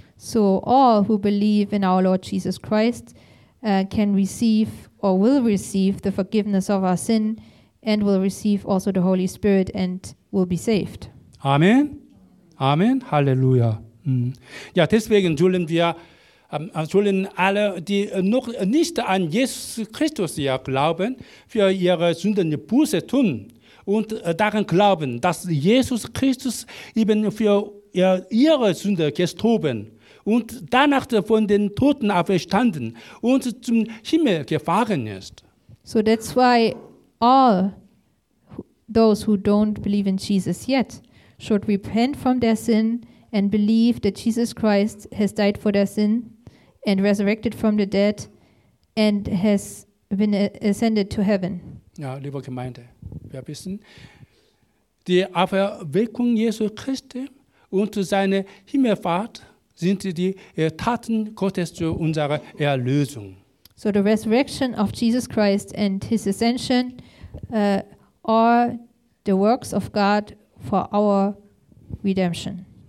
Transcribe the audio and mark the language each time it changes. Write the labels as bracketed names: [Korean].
[English] So all who believe in our Lord Jesus Christ can receive or will receive the forgiveness of our sin and will receive also the Holy Spirit and will be saved. Amen. Amen. Halleluja. Mm. [German] Ja, deswegen sollen wir sollen alle, die noch nicht an Jesus Christus glauben, für ihre Sünden Buße tun und daran glauben, dass Jesus Christus eben für ihre Sünde gestorben und danach von den Toten auferstanden und zum Himmel gefahren ist. [English] So that's why all those who don't believe in Jesus yet should repent from their sin and believe that Jesus Christ has died for their sin and resurrected from the dead and has been ascended to heaven. [German] Ja, liebe Gemeinde, wir wissen, die Auferweckung Jesu Christi und seine Himmelfahrt sind die Taten Gottes zu unserer Erlösung. [English] So the resurrection of Jesus Christ and his ascension are the works of God for our redemption.